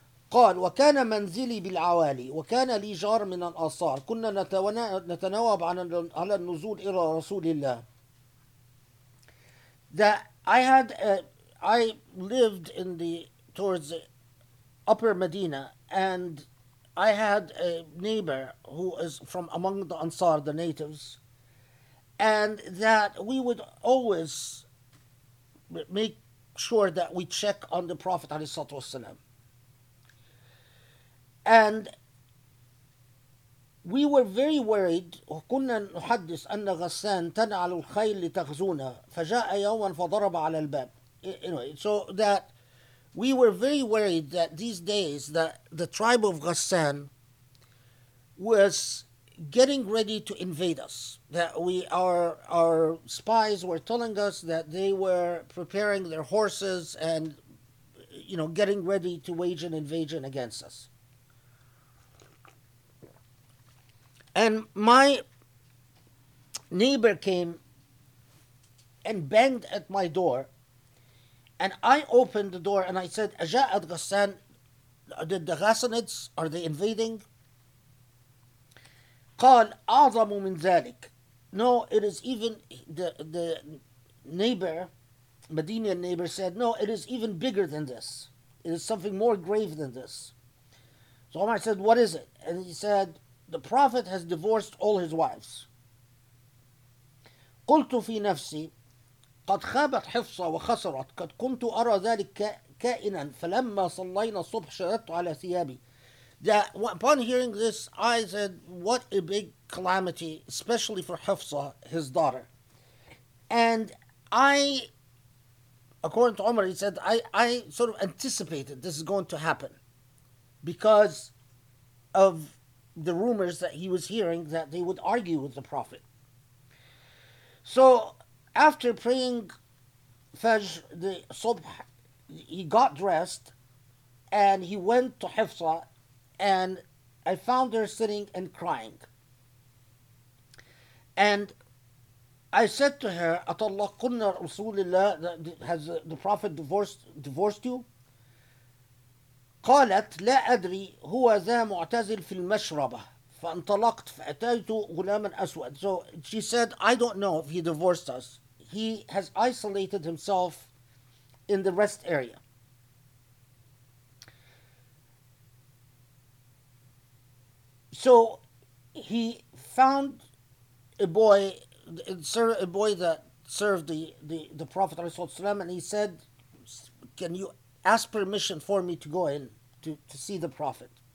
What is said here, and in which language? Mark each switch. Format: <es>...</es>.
<ar>قال وكان منزلي بالعوالي وكان لي جار من الأنصار كنا نتناوب على النزول إلى رسول الله.</ar> <en>I lived towards the upper Medina, and I had a neighbor who is from among the Ansar, the natives, and that we would always make sure that we check on the Prophet ﷺ. And we were very worried.</en> <ar>كنا نحدث أن غسان تنعل الخيل لتغزونا فجاء يوما فضرب على الباب.</ar> <en>Anyway, so that we were very worried that these days that the tribe of Ghassan was getting ready to invade us. That our spies were telling us that they were preparing their horses and, you know, getting ready to wage an invasion against us. And my neighbor came and banged at my door. And I opened the door and I said,</en> <ar>Aja'at Ghassan,</ar> <en>did the Ghassanids, are they invading?</en> <ar>قال أعظم من ذلك.</ar> <en>No, it is even, the neighbor, Medinian neighbor said, no, it is even bigger than this. It is something more grave than this. So Omar said, what is it? And he said, the Prophet has divorced all his wives.</en> <ar>قلت في نفسي قد خابت حفصة وخسرت قد كنت أرى ذلك كائنا فلما صلينا الصبح شددت على ثيابي.</ar> <en>That upon hearing this, I said, what a big calamity, especially for Hafsa, his daughter. And I, according to Umar, he said, I sort of anticipated this is going to happen because of the rumors that he was hearing that they would argue with the Prophet. So after praying Fajr, the Subh, he got dressed and he went to Hifsa, and I found her sitting and crying. And I said to her,</en> <ar>"Atallaqna Rasulillah,</ar> <en>has the Prophet divorced you?"</en> <ar>قالت لا أدري هو ذا معتزل في المشربة فانطلقت فأتيت غلاما أسود.</ar> <en>So she said, "I don't know if he divorced us. He has isolated himself in the rest area." So he found a boy that served the Prophet ﷺ, and he said, "Can you ask permission for me to go in to see the Prophet?"</en>